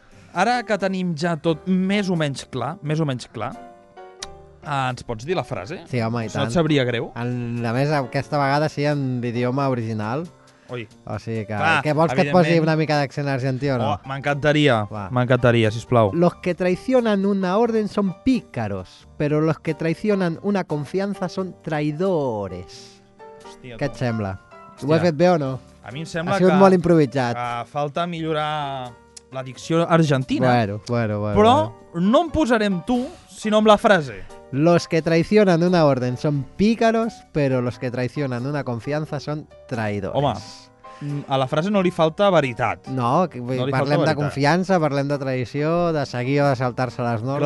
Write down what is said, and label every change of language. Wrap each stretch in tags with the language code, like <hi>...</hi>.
<ca>Ara que tenim ja tot més o menys clar, ens pots dir la frase? Sí, home, i tant. No et sabria greu. A més, aquesta vegada sí, en l'idioma original. Ui. O sigui que... Què vols que et posi una mica d'accent argentí o no? M'encantaria, sisplau.</ca> <es>Los que traicionan una orden son pícaros, pero los que traicionan una confianza son traidores.</es> <ca>Hòstia, què et sembla? Hòstia. Ho he fet bé o no? A mi em sembla que... Ha sigut molt improvisat. Falta millorar la dicció argentina. Bueno. Però no em posarem tu, sinó amb la frase...</ca> <es>Los que traicionan una orden son pícaros, pero los que traicionan una confianza son traidores.</es> <ca>Home, a la frase no li falta veritat. No, parlem de confiança, parlem de traïció, de seguir o de saltar-se les normes.</ca>